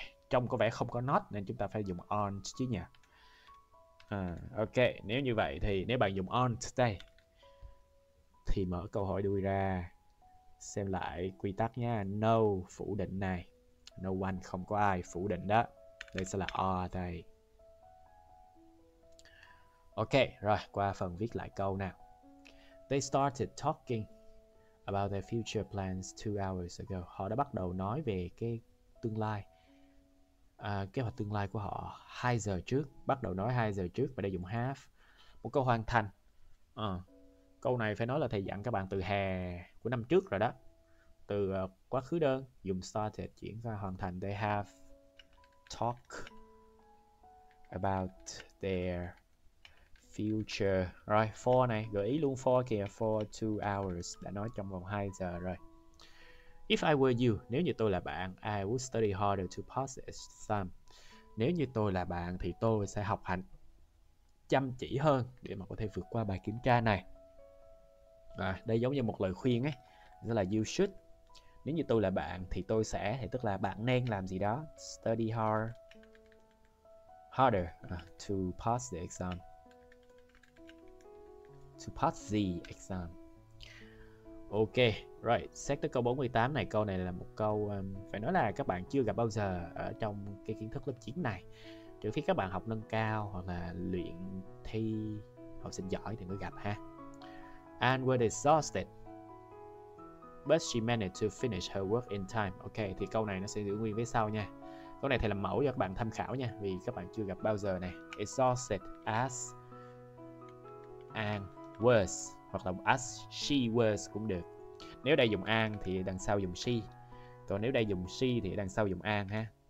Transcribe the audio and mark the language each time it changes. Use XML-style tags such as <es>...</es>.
<vi>trông có vẻ không có not nên chúng ta phải dùng aren't chứ nhỉ? Ok, nếu như vậy thì nếu bạn dùng aren't đây thì mở câu hỏi đuôi ra. Xem lại quy tắc nha. No phủ định này. No one không có ai phủ định đó. Đây sẽ là are đây. Ok, rồi qua phần viết lại câu nào.</vi> <en>They started talking about their future plans 2 hours ago.</en> <vi>Họ đã bắt đầu nói về cái tương lai. Kế hoạch tương lai của họ 2 giờ trước. Bắt đầu nói 2 giờ trước và đây dùng have. Một câu hoàn thành. Câu này phải nói là thầy dặn các bạn từ hè của năm trước rồi đó. Từ quá khứ đơn, dùng started chuyển qua hoàn thành.</vi> <en>They have talked about their future.</en> <vi>Rồi, for này, gợi ý luôn for kìa.</vi> <en>For 2 hours,</en> <vi>đã nói trong vòng 2 giờ rồi.</vi> <en>If I were you,</en> <vi>nếu như tôi là bạn,</vi> <en>I would study harder to pass the exam.</en> <vi>Nếu như tôi là bạn thì tôi sẽ học hành chăm chỉ hơn để mà có thể vượt qua bài kiểm tra này. Đây giống như một lời khuyên ấy. Tức là</vi> <en>you should.</en> <vi>Nếu như tôi là bạn thì tôi sẽ, thì tức là bạn nên làm gì đó.</vi> <en>Study hard, harder to pass the exam. To pass the exam. Ok, right.</en> <vi>Xét tới câu 48 này. Câu này là một câu phải nói là các bạn chưa gặp bao giờ ở trong cái kiến thức lớp 9 này. Trừ khi các bạn học nâng cao hoặc là luyện thi học sinh giỏi thì mới gặp ha.</vi> <en>And were exhausted, but she managed to finish her work in time.</en> <vi>Ok, thì câu này nó sẽ giữ nguyên với sau nha. Câu này thầy làm mẫu cho các bạn tham khảo nha, vì các bạn chưa gặp bao giờ này.</vi> <en>Exhausted as and was,</en> <vi>hoặc là</vi> <en>as she was</en> <vi>cũng được. Nếu đây dùng an thì đằng sau dùng she. Còn nếu đây dùng she thì đằng sau dùng an ha.</vi>